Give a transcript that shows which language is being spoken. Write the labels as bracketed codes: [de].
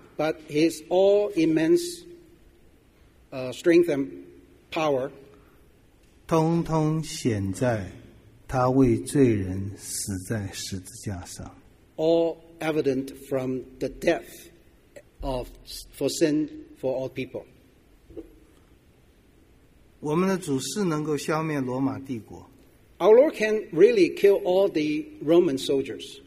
[en] but his all immense strength and power, [zh] 通通显在他为罪人死在十字架上, [en] all evident from the death of for sin for all people. [zh] 我们的主是能够消灭罗马帝国。 [en] Our Lord can really kill all the Roman soldiers.